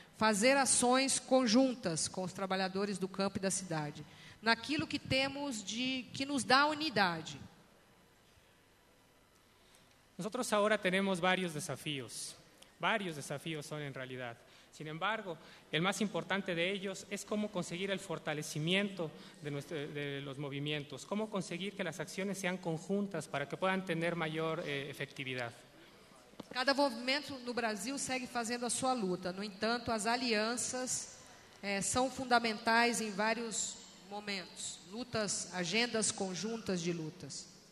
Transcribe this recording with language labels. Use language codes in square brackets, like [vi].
[pt] Fazer ações conjuntas com os trabalhadores do campo e da cidade. Naquilo que temos que nos dá unidade. [es] Nosotros ahora tenemos varios desafíos. Varios desafíos son en realidad. Sin embargo, el más importante de ellos es cómo conseguir el fortalecimiento de los movimientos, cómo conseguir que las acciones sean conjuntas para que puedan tener mayor efectividad. [pt] Cada movimiento no Brasil segue fazendo a sua luta. No entanto, as alianças são fundamentais em vários momentos. Lutas, agendas conjuntas de lutas.